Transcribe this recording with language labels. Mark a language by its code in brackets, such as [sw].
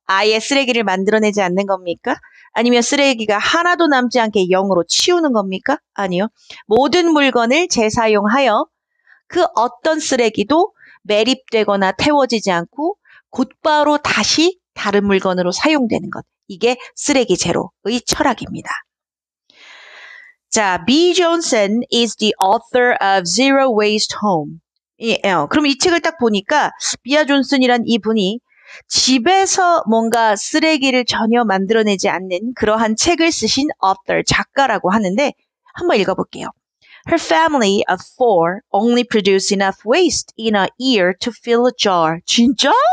[ko] 아예 쓰레기를 만들어내지 않는 겁니까? 아니면 쓰레기가 하나도 남지 않게 0으로 치우는 겁니까? 아니요. 모든 물건을 재사용하여 그 어떤 쓰레기도 매립되거나 태워지지 않고 곧바로 다시 다른 물건으로 사용되는 것. 이게 쓰레기 제로의 철학입니다. 자, B. [en] Johnson is the author of Zero Waste Home. [ko] 예, 그럼 이 책을 딱 보니까 비아 존슨이란 이분이 집에서 뭔가 쓰레기를 전혀 만들어내지 않는 그러한 책을 쓰신 author, 작가라고 하는데 한번 읽어볼게요. [en] Her family of four only produce enough waste in a year to fill a jar. [ko] 진짜?